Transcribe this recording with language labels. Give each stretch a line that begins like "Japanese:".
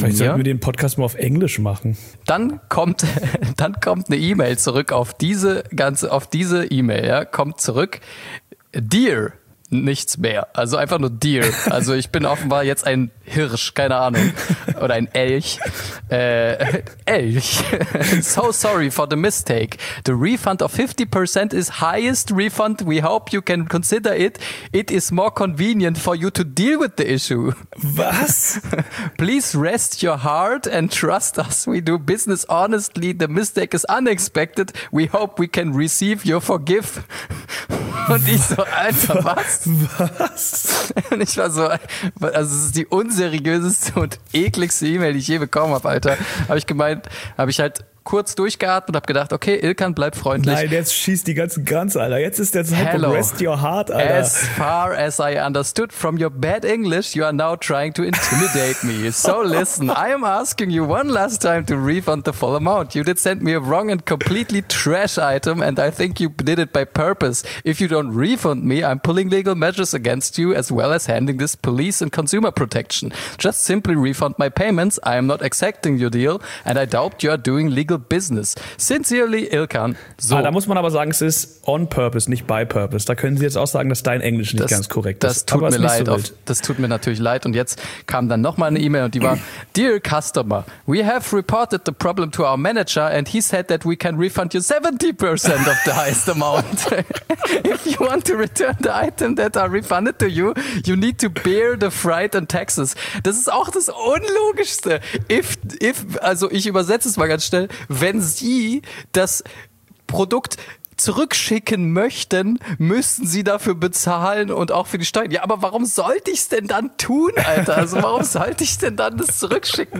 German: vielleicht sollten wir den Podcast mal auf Englisch machen. Dann kommt eine E-Mail zurück auf diese E-Mail, ja, kommt zurück. Dear, nichts mehr. Also einfach nur Deer. Also ich bin offenbar jetzt ein Hirsch, keine Ahnung. Oder ein Elch. Elch.
English: So sorry for the mistake. The refund of 50% is highest refund. We hope you can consider it. It is more convenient for you to deal with the issue.
German: Was?
English: Please rest your heart and trust us. We do business honestly. The mistake is unexpected. We hope we can receive your forgive.
German: Und ich so, Alter, was? Was? Und ich war so, also es ist die unseriöseste und ekligste E-Mail, die ich je bekommen habe, Alter. Habe ich gemeint, habe ich halt kurz durchgeatmet und habe gedacht, okay, Ilkan, bleib freundlich. Nein, jetzt schießt die ganzen Guns, Alter. Jetzt ist der Zeitpunkt,
English: rest your heart,
German: Alter.
English: As far as I understood from your bad English, you are now trying to intimidate me. So listen, I am asking you one last time to refund the full amount. You did send me a wrong and completely trash item and I think you did it by purpose. If you don't refund me, I'm pulling legal measures against you as well as handing this police and consumer protection. Just simply refund my payments. I am not accepting your deal and I doubt you are doing legal Business. Sincerely, Ilkan. So.
German: Ah, da muss man aber sagen, es ist on purpose, nicht by purpose. Da können Sie jetzt auch sagen, dass dein Englisch nicht ganz korrekt das ist. Das tut mir leid. So das tut mir natürlich leid. Und jetzt kam dann nochmal eine E-Mail und die war:
English: Dear customer, we have reported the problem to our manager and he said that we can refund you 70% of the highest amount. If you want to return the item that are refunded to you, you need to bear the freight and taxes.
German: Das ist auch das Unlogischste. Also ich übersetze es mal ganz schnell. Wenn Sie das Produkt zurückschicken möchten, müssten Sie dafür bezahlen und auch für die Steuern. Ja, aber warum sollte ich es denn dann tun, Alter? Also warum sollte ich denn dann das zurückschicken?